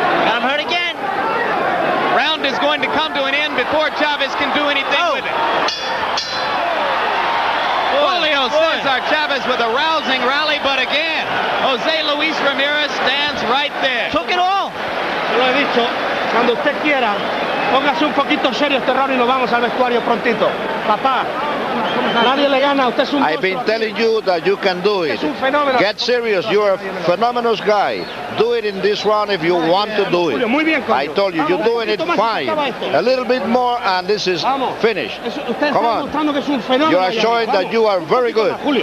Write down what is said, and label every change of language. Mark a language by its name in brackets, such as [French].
[English] Got him hurt again. Round is going to come to an end before Chavez can do anything with it. Julio Cesar Chavez with a rousing rally, but again, Jose Luis Ramirez stands right there. Took it all. [Spanish] Lo he dicho, cuando usted quiera, póngase un poquito serio este round y nos vamos al vestuario prontito. Papá, nadie le gana, usted es un... [English] I've been telling you that you can do it. Get serious, you're a phenomenal guy. Do it in this round if you want to do it. I told you, you're doing it fine. A little bit more and this is finished. Come on. You are showing that you are very good.